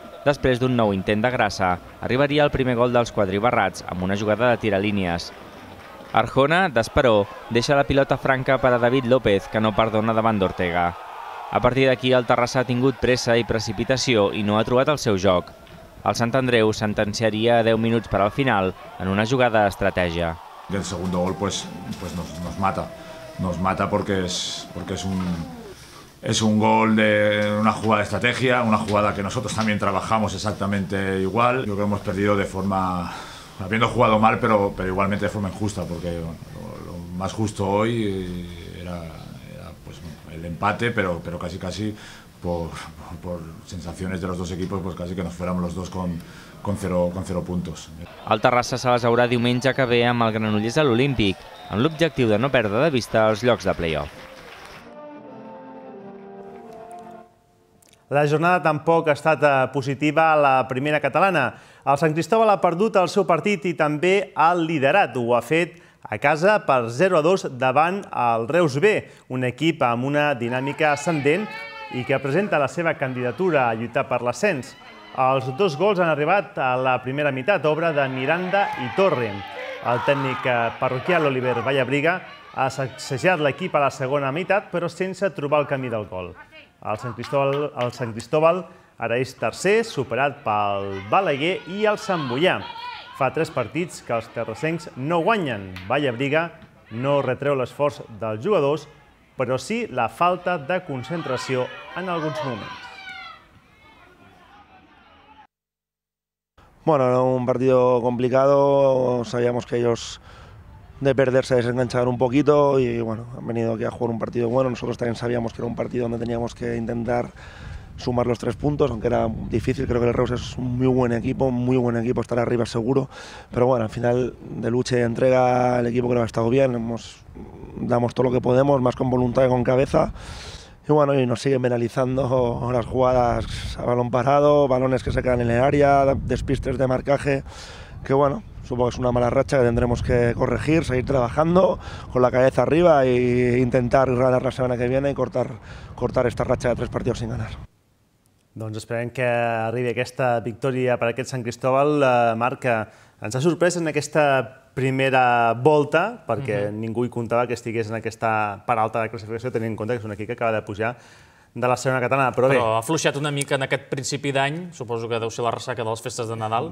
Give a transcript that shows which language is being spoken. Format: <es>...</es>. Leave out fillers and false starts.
<ca>Després d'un nou intent de grassa, arribaria el primer gol dels quadribarrats amb una jugada de tiralínies. Arjona, d'esperó, deixa la pilota franca per a David López, que no perdona davant d'Ortega. A partir d'aquí, el Terrassa ha tingut pressa i precipitació i no ha trobat el seu joc. El Sant Andreu sentenciaria 10 minuts per al final en una jugada d'estratègia.</ca> <es>El segon gol pues nos mata. Nos mata porque es un gol de una jugada d'estratègia, una jugada que nosotros también trabajamos exactamente igual. Yo creo que hemos perdido de forma... Habiendo jugado mal, pero igualmente de forma injusta, porque lo más justo hoy era... el empate, pero casi por sensaciones de los dos equipos, pues casi que nos fuéramos los dos con cero puntos.</es> <ca>El Terrassa se les haurà diumenge que ve amb el Granollers a l'Olímpic, amb l'objectiu de no perdre de vista els llocs de play-off. La jornada tampoc ha estat positiva a la primera catalana. El Sant Cristòfol ha perdut el seu partit i també el liderat ho ha fet a casa per 0-2 davant el Reus B, un equip amb una dinàmica ascendent i que presenta la seva candidatura a lluitar per l'ascens. Els dos gols han arribat a la primera meitat, obra de Miranda i Torre. El tècnic parroquial Oliver Vallabriga ha sacsejat l'equip a la segona meitat, però sense trobar el camí del gol. El Sant Cristòfol ara és tercer, superat pel Balaguer i el Sant Boià. Fa 3 partits que els terrassencs no guanyen. Vallabriga no retreu l'esforç dels jugadors, però sí la falta de concentració en alguns moments.</ca> <es>Bueno, era un partido complicado. Sabíamos que ellos de perderse, de desenganchar un poquito, y bueno, han venido aquí a jugar un partido bueno. Nosotros también sabíamos que era un partido donde teníamos que intentar sumar los tres puntos, aunque era difícil. Creo que el Reus es un muy buen equipo, estar arriba seguro, pero bueno, al final de lucha y de entrega el equipo creo que ha estado bien, damos todo lo que podemos, más con voluntad que con cabeza, y bueno, y nos siguen penalizando las jugadas a balón parado, balones que se quedan en el área, despistes de marcaje, que bueno, supongo que es una mala racha que tendremos que corregir, seguir trabajando con la cabeza arriba e intentar ganar la semana que viene y cortar esta racha de tres partidos sin ganar.</es> <ca>Doncs esperem que arribi aquesta victòria per aquest Sant Cristóbal. Marc, ens ha sorprès en aquesta primera volta, perquè ningú hi comptava que estigués en aquesta part alta de classificació, tenint en compte que és un equip que acaba de pujar de la segona catalana. Però ha afluixat una mica en aquest principi d'any, suposo que deu ser la ressaca de les festes de Nadal.</ca>